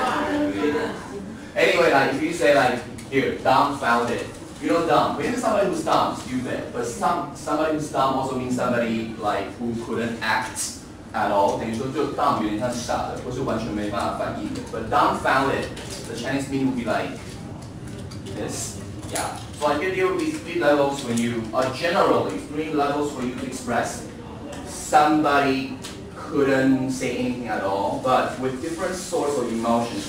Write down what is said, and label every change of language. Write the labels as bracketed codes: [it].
[en] Anyway, like if you say like, here, dumbfounded. You know dumb, when somebody who's dumb, stupid. But somebody who's dumb also means somebody like who couldn't act at all. [zh] 等于说就 dumb 有点像傻的，或是完全没办法翻译的。 [en] But dumbfounded, the Chinese meaning would be like,this. Yeah. So I can deal with three levels when you are generally three levels for you to express somebody couldn't say anything at all, but with different sorts of emotions.